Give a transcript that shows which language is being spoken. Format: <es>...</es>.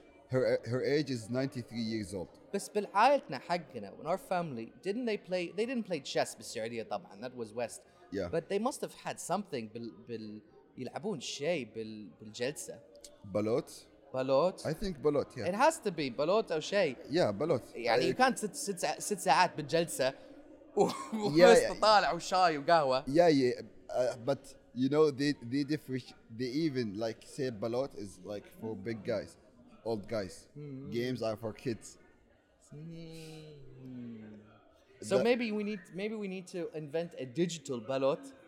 <en>Her age is 93 years old.</en> <ar>بس بالعائلتنا حقنا,</ar> <en>in our family, didn't they play, they didn't play chess</en> <ar>بالسعودية طبعا,</ar> <en>that was West. Yeah. But they must have had something</en> <ar>بال يلعبون شيء بالجلسة. بلوت. بلوت.</ar> <en>I think بلوت, yeah. It has to be, بلوت</en> <ar>أو شيء.</ar> <en>Yeah, بلوت.</en> <ar>يعني</ar> <en>you can't sit</en> <ar>ساعات بالجلسة وبس تطالع وشاي وقهوة.</ar> <en>Yeah, yeah. But you know, they differentiate, they even like say بلوت is like for big guys. Old guys. Mm-hmm. Games are for kids. Mm-hmm. So maybe we need to invent a digital balot.</en>